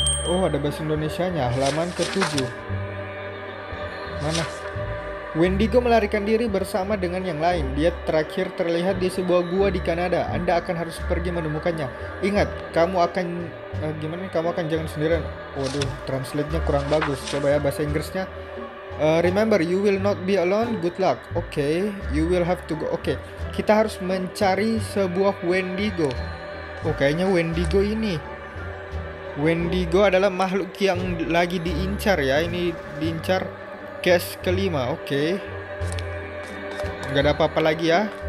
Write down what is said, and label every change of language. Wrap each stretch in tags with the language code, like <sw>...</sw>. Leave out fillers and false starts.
<id>Oh, ada bahasa Indonesianya, halaman ke-7. Mana? Wendigo melarikan diri bersama dengan yang lain. Dia terakhir terlihat di sebuah gua di Kanada. Anda akan harus pergi menemukannya. Ingat, kamu akan gimana? Kamu akan jangan sendirian. Waduh, translate-nya kurang bagus. Coba ya bahasa Inggrisnya.</id> <en>Remember, you will not be alone. Good luck. Oke, okay, you will have to go.</en> <id>Oke, okay, kita harus mencari sebuah Wendigo. Oh, kayaknya Wendigo ini. Wendigo adalah makhluk yang lagi diincar ya. Ini diincar. Case ke-5, oke. Okay. Gak ada apa-apa lagi ya.</id>